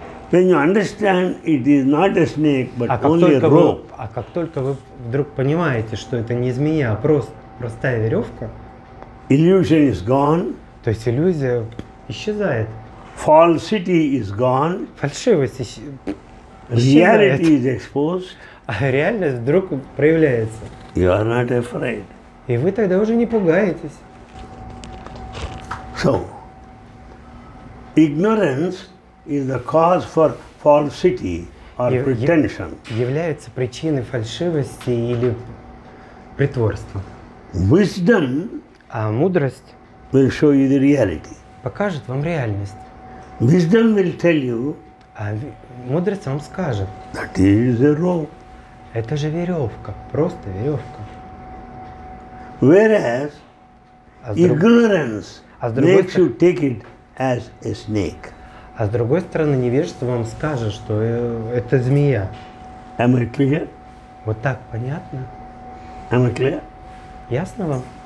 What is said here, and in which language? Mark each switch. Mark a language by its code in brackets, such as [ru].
[en] When you understand it is not a snake, but only a rope. [ru] А как только вы вдруг понимаете, что это не змея, а простая веревка, [en] illusion is gone. [ru] То есть иллюзия исчезает. [en] Falsity is gone. [ru] Фальшивость [en] Reality is exposed. [ru] А реальность вдруг проявляется. [en] You are not afraid. [ru] И вы тогда уже не пугаетесь. [en] So, ignorance is the cause for falsity or pretension. [ru] Является причиной фальшивости или притворства. [en] Wisdom. [ru] А мудрость. [en] Will show you the reality. [ru] Покажет вам реальность. [en] Wisdom will tell you. [ru] А мудрец вам скажет. [en] That is a rope. [ru] Это же веревка, просто веревка. [en] Whereas ignorance makes you take it as a snake. [ru] А с другой стороны, невежество вам скажет, что это змея. [en] Am I clear? [ru] Вот так, понятно? [en] Am I clear? [ru] Ясно вам?